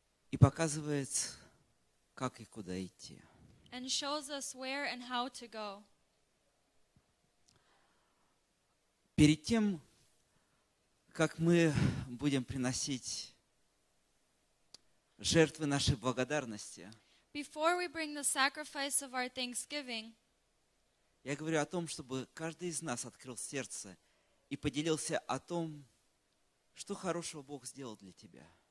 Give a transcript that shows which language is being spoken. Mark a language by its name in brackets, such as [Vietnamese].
[Russian] И показывает, как и куда идти. [English] And shows us where and how to go. [Russian] Перед тем, как мы будем приносить жертвы нашей благодарности, [English] before we bring the sacrifice of our thanksgiving, [Russian] я говорю о том, чтобы каждый из нас открыл сердце и поделился о том, что хорошего Бог сделал для тебя.